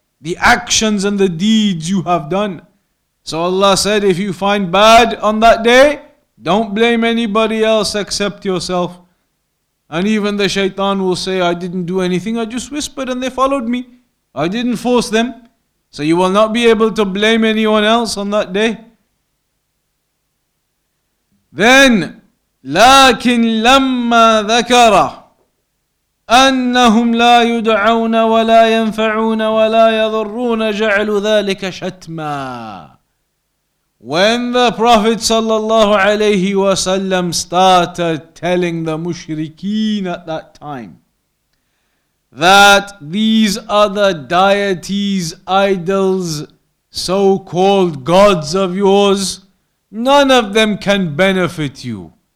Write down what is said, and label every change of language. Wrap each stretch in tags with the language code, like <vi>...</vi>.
<en>The actions and the deeds you have done. So Allah said, if you find bad on that day, don't blame anybody else except yourself. And even the shaitan will say, I didn't do anything, I just whispered and they followed me. I didn't force them. So you will not be able to blame anyone else on that day.</en> <ar>Then, لكن لما ذكر أنهم لا يدعون ولا ينفعون ولا يضرون جعل ذلك شتما.</ar> <en>When the Prophet sallallahu alayhi wasallam started telling the mushrikeen at that time that these other deities, idols, so-called gods of yours, none of them can benefit you,</en>